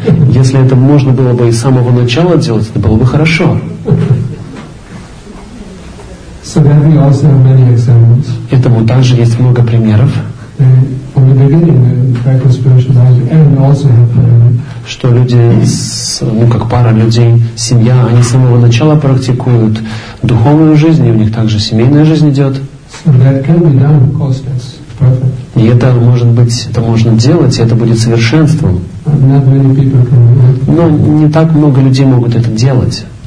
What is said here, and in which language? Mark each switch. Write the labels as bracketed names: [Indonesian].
[Russian] Если это можно было бы и с самого начала делать, это было бы хорошо. [English] So then we also have many examples. [Russian] Этому также есть много примеров. [English] From the beginning, the practice spiritual life, and also have family. [Russian] Что люди, ну как пара людей, семья, они с самого начала практикуют духовную жизнь, и у них также семейная жизнь идет. [English] So that can be done, of course, that's. [Russian] И это может быть, это можно делать, и это будет совершенством. Но не так много людей могут это делать.